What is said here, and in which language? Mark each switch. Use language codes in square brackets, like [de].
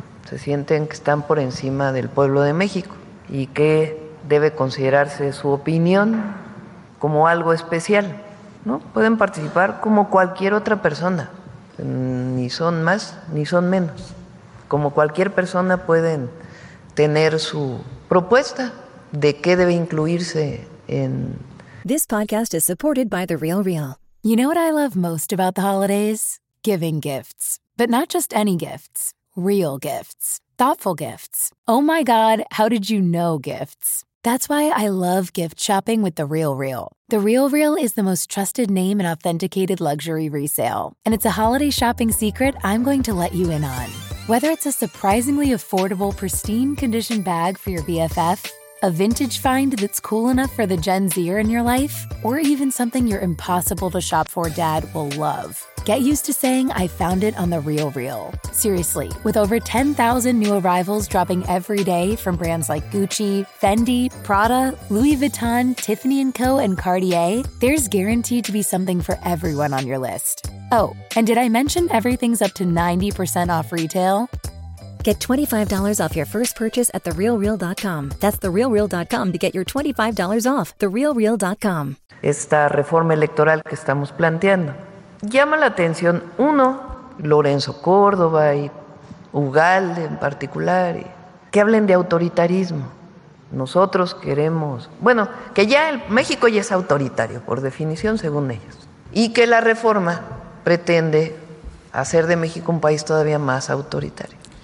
[es] Se sienten que están por encima del pueblo de México y que debe considerarse su opinión como algo especial, ¿no? Pueden participar como cualquier otra persona, ni son más ni son menos. Como cualquier persona pueden tener su propuesta de qué debe incluirse en... [en] This podcast is supported by The Real Real. You know what I love most about the holidays? Giving gifts. But not just any gifts, real gifts. Thoughtful gifts. Oh my God, how did you know gifts? That's why I love gift shopping with The Real Real. The Real Real is the most trusted name in authenticated luxury resale. And it's a holiday shopping secret I'm going to let you in on. Whether it's a surprisingly affordable, pristine condition bag for your BFF, a vintage find that's cool enough for the Gen Zer in your life, or even something your impossible to shop for dad will love. Get used to saying, I found it on The Real Real. Seriously, with over 10,000 new arrivals dropping every day from brands like Gucci, Fendi, Prada, Louis Vuitton, Tiffany & Co., and Cartier, there's guaranteed to be something for everyone on your list. Oh, and did I mention everything's up to 90% off retail? Get $25 off your first purchase at TheRealReal.com. That's TheRealReal.com to get your $25 off. TheRealReal.com. [es] Esta reforma electoral que estamos planteando llama la atención, uno, Lorenzo Córdoba y Ugalde en particular, y que hablen de autoritarismo. Nosotros queremos, bueno, que ya el México ya es autoritario, por definición, según ellos, y que la reforma pretende hacer de México un país todavía más autoritario.